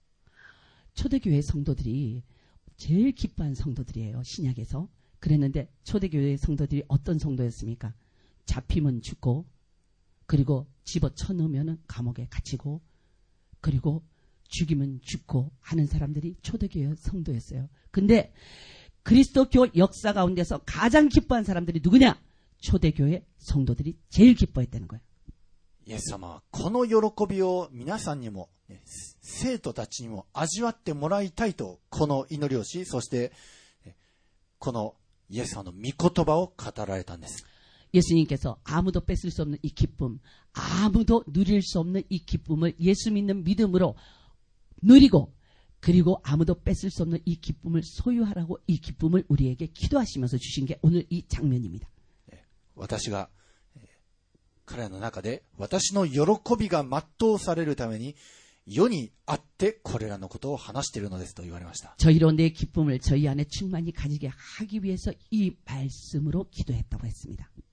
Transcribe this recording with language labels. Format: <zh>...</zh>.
<ko>초대교회성도들이제일기뻐한성도들이에요신약에서그랬는데초대교회성도들이어떤성도였습니까잡히면죽고그리고집어쳐넣으면감옥에갇히고그리고죽이면죽고하는사람들이초대교회성도였어요근데그리스도교역사가운데서가장기뻐한사람들이누구냐초대교회성도들이제일기뻐했다는거야</ko> <ja>イエス様はこの喜びを皆さんにも生徒たちにも味わってもらいたいとこの祈りをし、そしてこのイエス様の御言葉を語られたんです。</ja> <ko>예수님께서 아무도 뺏을 수 없는 이 기쁨, 아무도 누릴 수 없는 이 기쁨을 예수 믿는 믿음으로 누리고 그리고 아무도 뺏을 수 없는 이 기쁨을 소유하라고 이 기쁨을 우리에게 기도하시면서 주신 게 오늘 이 장면입니다.</ko> <ja>私が 彼の中で私の喜びが全うされるために世にあってこれらのことを話しているのですと言われました。</ja> <ko>저희로내기쁨을저희안에충만히가지게하기위해서이말씀으로기도했다고했습니다。</ko>